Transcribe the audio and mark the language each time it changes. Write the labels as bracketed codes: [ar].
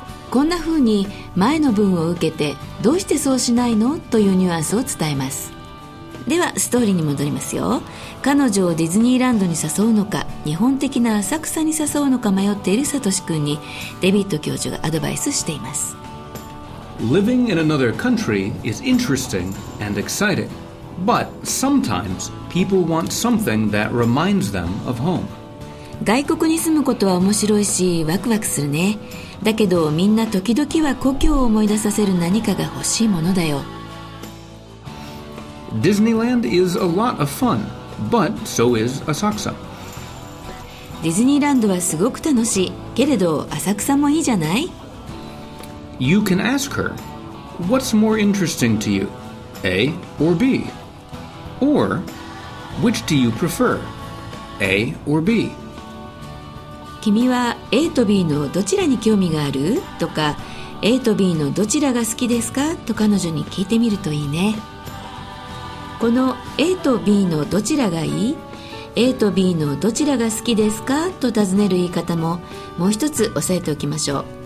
[ja] こんな風に前の文を受けてどうしてそうしないのというニュアンスを伝えます。ではストーリーに戻りますよ。彼女をディズニーランドに誘うのか日本的な浅草に誘うのか迷っているサトシ君にデビッド教授がアドバイスしています。 [en] Living in another country is interesting and exciting, but sometimes people want something that reminds them of home. [ja] 外国に住むことは面白いしワクワクするね。だけどみんな時々は故郷を思い出させる何かが欲しいものだよ。 [en] ディズニーランド is a lot of fun, but so is [ja] 浅草。ディズニーランドはすごく楽しい。けれど浅草もいいじゃない? [en] You can ask her, what's more interesting to you, A or B? Or, which do you prefer, A or B? [ja] 君は A と B のどちらに興味がある?とか A と B のどちらが好きですか? と彼女に聞いてみるといいね。この A と B のどちらがいい? A と B のどちらが好きですかと尋ねる言い方も、もう一つ押さえておきましょう。